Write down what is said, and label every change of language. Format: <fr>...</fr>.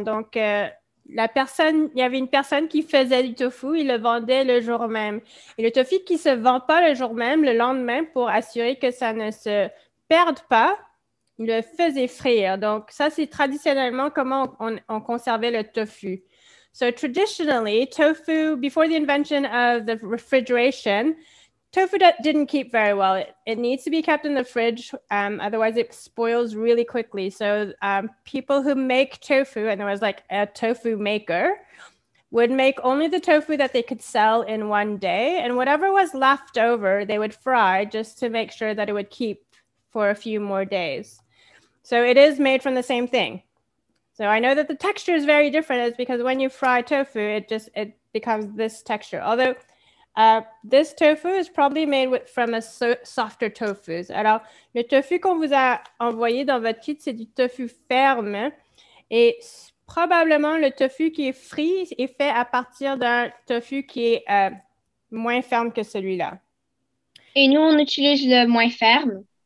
<fr>Donc, il y avait une personne qui faisait du tofu, il le vendait le jour même. Et le tofu qui ne se vend pas le jour même, le lendemain, pour assurer que ça ne se perdent pas, ils le faisaient frire. Donc, ça, c'est traditionnellement comment on conservait le tofu.</fr> <en>So, traditionally, tofu, before the invention of the refrigeration, tofu didn't keep very well. It needs to be kept in the fridge, otherwise it spoils really quickly. So people who make tofu, and there was like a tofu maker, would make only the tofu that they could sell in one day. And whatever was left over, they would fry just to make sure that it would keep for a few more days. So it is made from the same thing. So I know that the texture is very different. It's because when you fry tofu, it becomes this texture. Although this tofu is probably made from a softer tofu.</en> <fr>Alors, le tofu qu'on vous a envoyé dans votre kit, c'est du tofu ferme. Et probablement, le tofu qui est frit est fait à partir d'un tofu qui est moins ferme que celui-là. Et nous, on utilise le moins ferme.</fr>